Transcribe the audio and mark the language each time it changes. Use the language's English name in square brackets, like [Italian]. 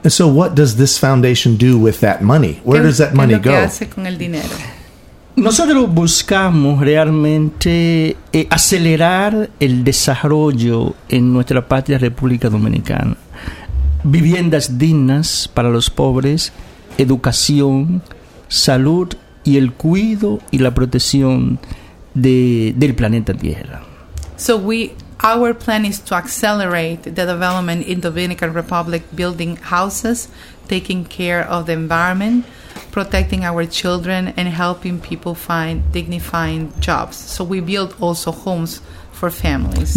[English] And so what does this foundation do with that money? Where does that money go? [Spanish] ¿Qué hace con el dinero? Nosotros buscamos realmente acelerar el desarrollo en nuestra patria República Dominicana. Viviendas dignas para los pobres, educación, salud y el cuidado y la protección del planeta Tierra. [English] So our plan is to accelerate the development in Dominican Republic, building houses, taking care of the environment, protecting our children and helping people find dignifying jobs. So we build also homes for families.